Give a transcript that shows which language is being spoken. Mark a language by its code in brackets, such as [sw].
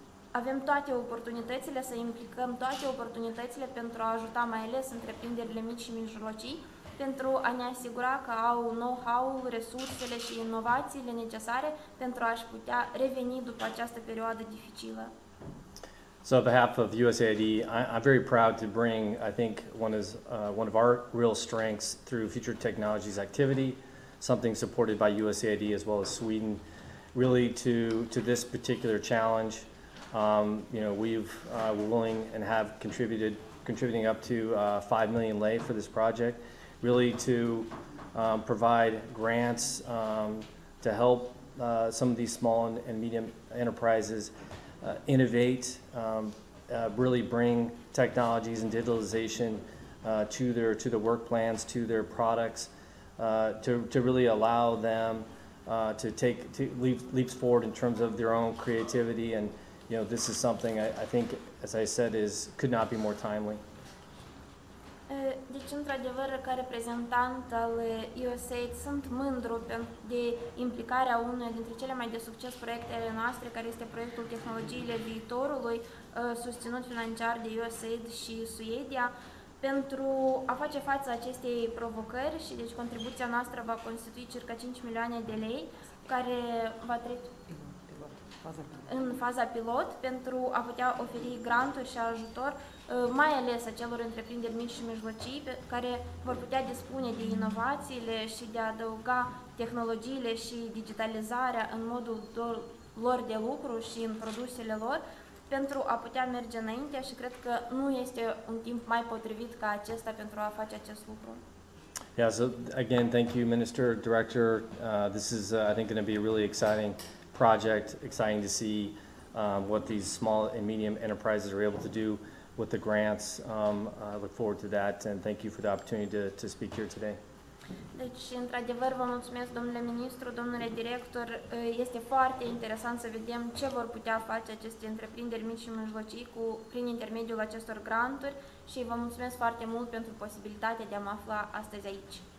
[ro] avem toate oportunitățile, să implicăm toate oportunitățile pentru a ajuta mai ales întreprinderile mici și mijlocii, pentru a ne asigura că au know-how-ul, resursele și inovațiile necesare pentru a-și putea reveni după această perioadă dificilă. [en] So on behalf of USAID, I'm very proud to bring, I think, one of our real strengths through Future Technologies Activity, something supported by USAID as well as Sweden, really to this particular challenge. We're willing and have contributing up to 5 million lei for this project, really to provide grants to help some of these small and medium enterprises innovate, really bring technologies and digitalization to their work plans, to their products, to really allow them to leap forward in terms of their own creativity and. You know, this is something I think, as I said, could not be more timely. [ro] Deci, într-adevăr, ca reprezentant al USAID, sunt mândru de implicarea unui dintre cele mai de succes proiectele noastre, care este proiectul Tehnologiile Viitorului, susținut financiar de USAID și Suedia. Pentru a face față acestei provocări și deci contribuția noastră va constitui circa 5 milioane de lei, care va trece în faza pilot pentru a putea oferi granturi și ajutor, mai ales acelor întreprinderi mici și mijlocii care vor putea dispune de inovațiile și de a adăuga tehnologiile și digitalizarea în modul lor de lucru și în produsele lor pentru a putea merge înainte și cred că nu este un timp mai potrivit ca acesta pentru a face acest lucru. [en] Yeah, so again, thank you, Minister, Director. This is, I think, going to be really exciting project, exciting to see what these small and medium enterprises are able to do with the grants. I look forward to that and thank you for the opportunity to speak here today. [ro] Deci, într-adevăr, vă mulțumesc, domnule ministru, domnule director. Este foarte interesant să vedem ce vor putea face aceste întreprinderi mici și mijlocii prin intermediul acestor granturi și vă mulțumesc foarte mult pentru posibilitatea de a mă afla astăzi aici.